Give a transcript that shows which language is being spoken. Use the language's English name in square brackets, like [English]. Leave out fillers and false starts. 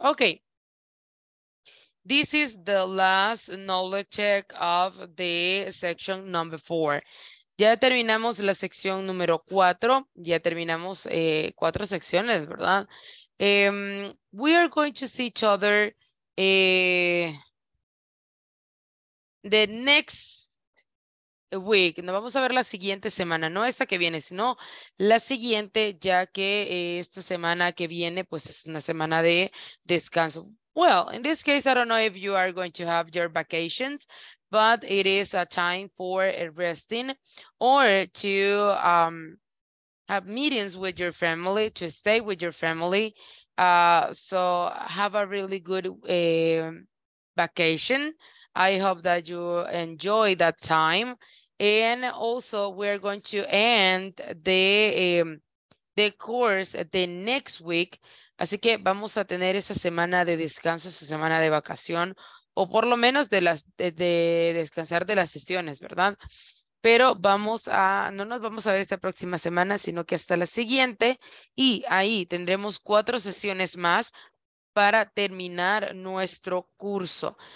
[English] Okay. This is the last knowledge check of the section number four. [Spanish] Ya terminamos la sección número cuatro. Ya terminamos cuatro secciones, ¿verdad? [English] We are going to see each other the next week. [Spanish] Nos vamos a ver la siguiente semana, no esta que viene, sino la siguiente, ya que esta semana que viene, pues es una semana de descanso. [English] Well, in this case, I don't know if you are going to have your vacations, but it is a time for resting or to have meetings with your family, to stay with your family. So have a really good vacation. I hope that you enjoy that time. And also we're going to end the course the next week. [Spanish] Así que vamos a tener esa semana de descanso, esa semana de vacación, o por lo menos de descansar de las sesiones, ¿verdad? Pero no nos vamos a ver esta próxima semana, sino que hasta la siguiente. Y ahí tendremos cuatro sesiones más para terminar nuestro curso.